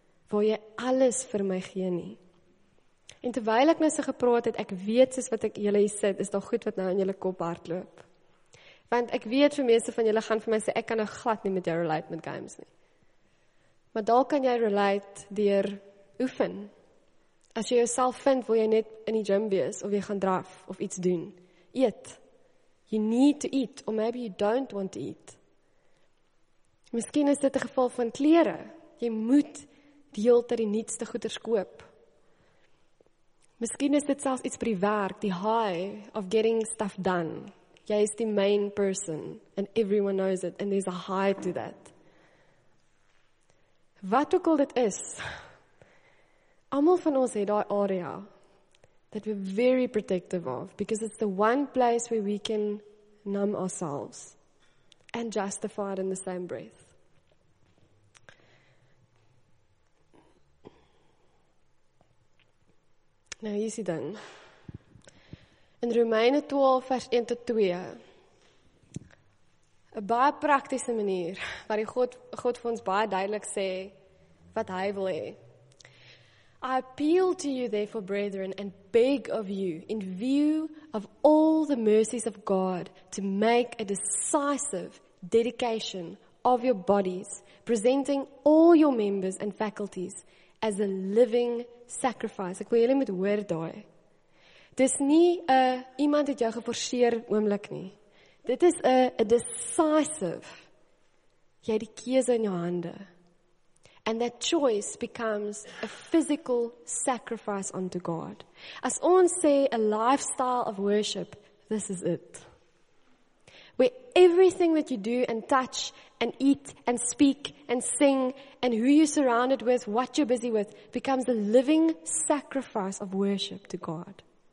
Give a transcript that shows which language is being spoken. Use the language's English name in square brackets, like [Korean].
[Afrikaans] Waar jy alles vir my gee nie. En terwyl ek nou so gepraat het, ek weet soos wat ek julle hier sit, is daar goed wat nou in julle kop hardloop. Want ek weet vir meeste van julle gaan vir my sê, ek kan nou glad nie met jou relate met games nie. Maar daar kan jy relate deur oefen. As jy jouself vind, wil jy net in die gym wees, of jy gaan draf, of iets doen. Eet. [English] You need to eat, or maybe you don't want to eat. [Afrikaans] Miskien is dit 'n geval van klere. Jy moet die heeltyd die nuutste goeders koop. Miskien is dit selfs iets by die werk, die high [English] of getting stuff done. [Afrikaans] Jy is die [English] main person, and everyone knows it, and there's a high to that. [Afrikaans] Wat ook al dit is, almal van ons het daai area [English] that we're very protective of, because it's the one place where we can numb ourselves and justify it in the same breath. [Afrikaans] Nou, hier is die ding. In Romeine 12 vers 1 tot 2, 'n baie praktiese manier, waar die God vir ons baie duidelik sê, wat hy wil hê. [English] I appeal to you, therefore, brethren, and beg of you, in view of all the mercies of God, to make a decisive dedication of your bodies, presenting all your members and faculties as a living sacrifice. [Afrikaans] Ek wil julle met hoor daai. Dis nie 'n iemand het jou geforseer oomblik nie. Dit is 'n decisive. Jy het die keuse in jou hande. [English] And that choice becomes a physical sacrifice unto God. [Afrikaans] As ons sê, [English] a lifestyle of worship, this is it. Where everything that you do and touch and eat and speak and sing and who you're surrounded with, what you're busy with, becomes a living sacrifice of worship to God.